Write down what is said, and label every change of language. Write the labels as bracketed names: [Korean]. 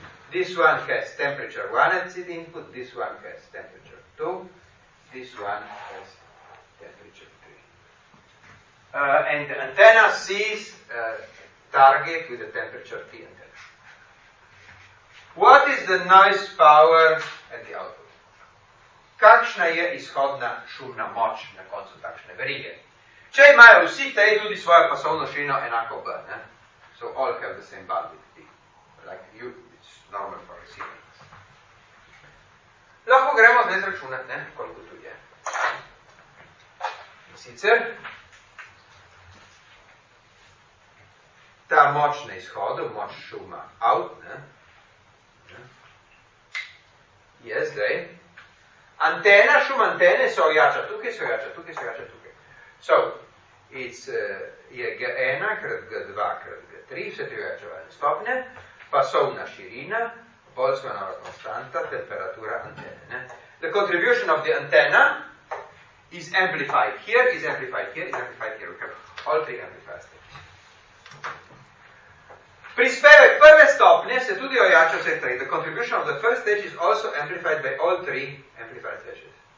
[English] This one has temperature 1 at the input, this one has temperature 2, this one has temperature 3. And the antenna sees a target with a temperature T antenna. What is the noise power at the output? [Slovenian] Kakšna je izhodna šumna moč na koncu takšne verige? Če imajo vsi tej tudi svojo pasovno širino enako B, ne? [English] So all have the same bandwidth. Like you, it's normal for receivers. [Slovenian] Lahko gremo zdaj izračunati, ne? Koliko tu je. In sicer, ta moč na izhodu, moč šuma out, ne? Je zdaj. Antena, šum antene se ojača tukaj, se ojača tukaj, se ojača tukaj. So, it's, je G1 krat G2 krat G3, vse te ojačevalne stopnje, pasovna širina, Boltzmannova konstanta, temperatura antene. Ne? [English] The contribution of the antenna is amplified here, is amplified here, is amplified here. Okay, all three amplifiers. [Slovenian] Pri sfere prve stopnje se tudi ojača vse tri. [English] The contribution of the first stage is also amplified by all three amplified stages.